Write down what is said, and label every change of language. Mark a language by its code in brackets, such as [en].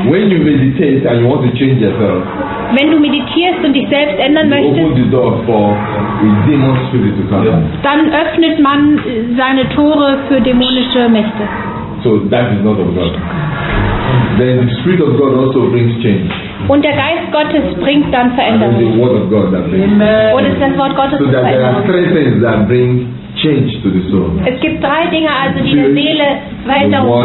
[en] When you meditate and you want to change yourself, [de] wenn du meditierst und dich selbst ändern möchtest, dann öffnet man seine Tore für dämonische Mächte. [en] So that is not of God. Then the Spirit of God also brings change. [de] Und der Geist Gottes bringt dann Veränderung. [en] The Word of God that brings. [de] Und es ist das Wort Gottes, [en] so that there are three things that bring change to the soul. [de] Es gibt drei Dinge also, die der Seele Veränderung